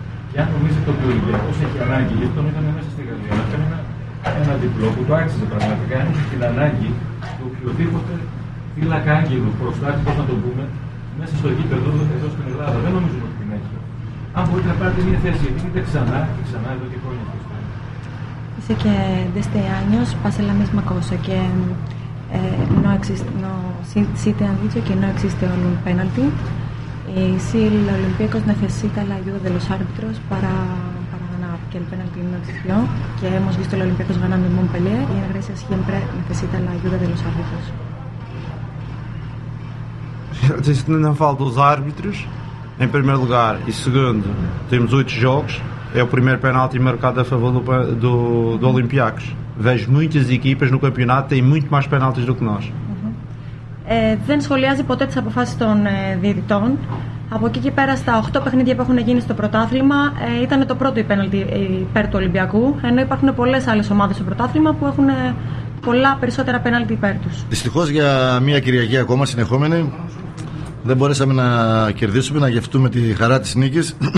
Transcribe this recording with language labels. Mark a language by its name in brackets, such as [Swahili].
[Greek] Και αν νομίζετε ότι ο Ολυμπιακός έχει ανάγκη, γιατί τον είδαμε μέσα στη Γαλλία, να κάνει ένα διπλό που το άξιζε πραγματικά, αν είχε την ανάγκη του οποιοδήποτε φύλακα άγγελου, προστάτη, πώς να το πούμε, μέσα στο γήπεδο εδώ στην Ελλάδα. Δεν νομίζω ότι την έχει. Αν μπορείτε να πάρετε μια θέση, γιατί είτε ξανά και ξανά εδώ και χρόνια. [Spanish] Sé que desde años pasa la misma cosa, que no existe, no, si te han dicho que no existe un penalti, y si el Olympiacos pues necesita la ayuda de los árbitros para ganar, que el penalti no existió, que hemos visto el Olympiacos pues ganando en Montpellier, y en Grecia siempre necesita la ayuda de los árbitros. Dice que no falta los árbitros, en primer lugar, y segundo, tenemos 8 juegos. [Portuguese] É o primeiro penalti marcado a favor do Olympiacos. Vejo muitas equipas no campeonato têm muito mais penaltis do que nós. [Greek] Δεν σχολιάζει ποτέ τις αποφάσεις των διαιτητών. Από εκεί και πέρα στα 8 παιχνίδια που έχουν γίνει στο πρωτάθλημα ήταν το πρώτο πέναλτι υπέρ του Ολυμπιακού, ενώ υπάρχουν πολλές άλλες ομάδες στο πρωτάθλημα που έχουν πολλά περισσότερα πέναλτι υπέρ τους. Δυστυχώς για μια Κυριακή ακόμα συνεχόμενη Δεν μπορέσαμε να κερδίσουμε, να γευτούμε τη χαρά της νίκης.